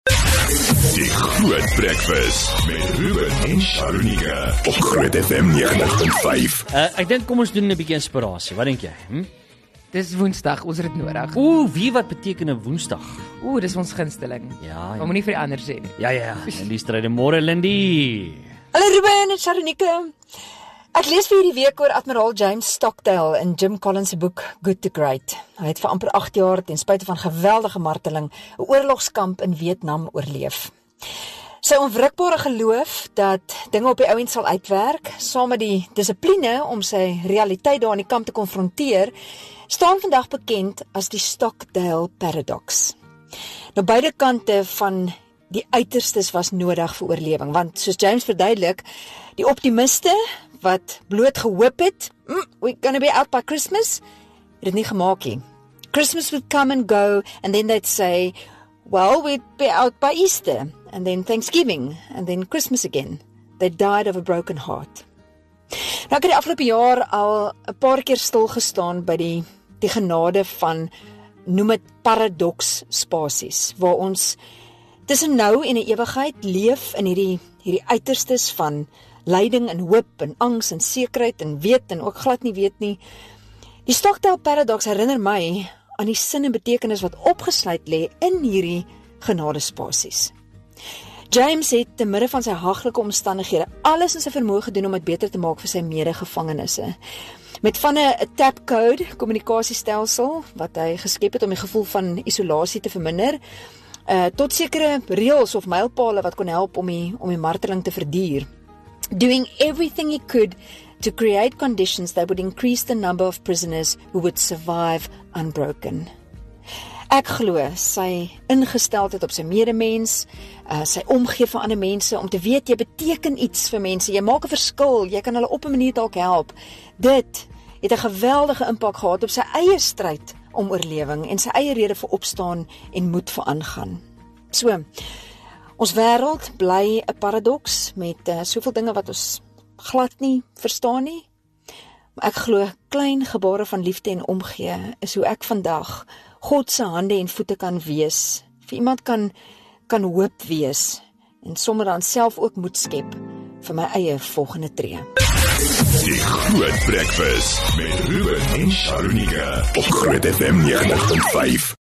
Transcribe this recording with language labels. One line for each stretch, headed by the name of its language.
Afrikaans: die Groot Breakfast met Ruben en Sharunika op Groot FM 95.5. Ek dink kom ons doen 'n bietjie inspirasie. Wat dink jy? Dis Woensdag, ons het dit nodig. Ooh, wie wat beteken 'n Woensdag? Ooh, dis ons gunsteling. Ja. Ons moenie vir die ander sê nie. Ja ja, Lindy stryd môre Lindy. Hallo Ruben en Sharunika. Ek lees vir hierdie week oor Admiraal James Stockdale in Jim Collins se boek Good to Great. Hy het vir amper 8 jaar ten spyte van geweldige marteling 'n oorlogskamp in Vietnam oorleef. Sy onwrikbare geloof dat dinge op die ouend sal uitwerk, saam met die dissipline om sy realiteit daar in die kamp te konfronteer, staan vandag bekend as die Stockdale paradox. Nou beide kante van die uiterstes was nodig vir oorlewing, want soos James verduidelik, die optimiste wat bloot gehoop het,
English: we gonna be out by Christmas,
Afrikaans: het het nie gemaak nie.
English: Christmas would come and go, and then they'd say, well, we'd be out by Easter, and then Thanksgiving, and then Christmas again. They died of a broken heart.
Afrikaans: Nou, ek het die afgelope jaar al 'n paar keer stilgestaan by die genade van, noem het paradox spasies, waar ons tussen nou en die ewigheid leef in hierdie uiterstes van leiding en hoop en angs en sekerheid en weet en ook glad nie weet nie. Die Stockdale paradox herinner my aan die sin en betekenis wat opgesluit lê in hierdie genadespasies. James het te midde van sy haglike omstandighede alles in sy vermoë gedoen om dit beter te maak vir sy medegevangenisse. Met van 'n tap code kommunikasiestelsel wat hy geskep het om die gevoel van isolasie te verminder, tot sekere reëls of mylpale wat kon help om die marteling te verduur.
English: Doing everything he could to create conditions that would increase the number of prisoners who would survive unbroken.
Afrikaans: Ek glo sy ingesteldheid op sy medemens, sy omgee vir ander mense om te weet jy beteken iets vir mense, jy maak 'n verskil, jy kan hulle op 'n manier dalk help. Dit het 'n geweldige impak gehad op sy eie stryd om oorlewing en sy eie rede vir opstaan en moed vir aangaan. So, ons wêreld bly 'n paradoks met soveel dinge wat ons glad nie verstaan nie. Maar ek glo klein gebare van liefde en omgee is hoe ek vandag God se hande en voete kan wees. Vir iemand kan hoop wees en sommer dan self ook moed skep vir my eie volgende tree. Die Groot Breakfast met Ruben en Sharunika op Groot FM 95.5.